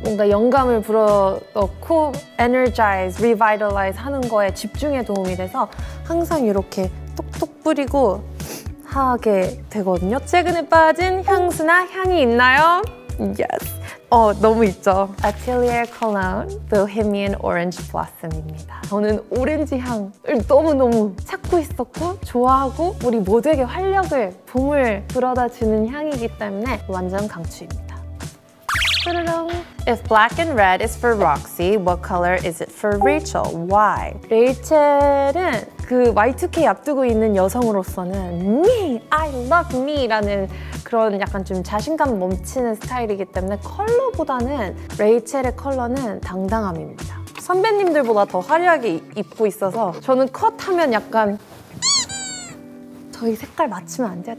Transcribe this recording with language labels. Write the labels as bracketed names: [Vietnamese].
[Korean] 뭔가 영감을 불어넣고 [English] energize, revitalize [Korean] 하는 거에 집중에 도움이 돼서 항상 이렇게 톡톡 뿌리고 하게 되거든요. 최근에 빠진 향수나 향이 있나요? Yes. 어, 너무 있죠. Atelier Cologne Bohemian Orange Blossom입니다. 저는 오렌지 향을 너무너무 찾고 있었고 좋아하고 우리 모두에게 활력을, 봄을 불어다 주는 향이기 때문에 완전 강추입니다. [English] If black and red is for Roxy, what color is it for Rachel? Why? [Korean] 레이첼은 그 Y2K 앞두고 있는 여성으로서는 [English] Me! I love me! [Korean] 라는 그런 약간 좀 자신감 넘치는 스타일이기 때문에 컬러보다는 레이첼의 컬러는 당당함입니다. 선배님들보다 더 화려하게 입고 있어서 저는 컷하면 약간 저희 색깔 맞추면 안 돼요?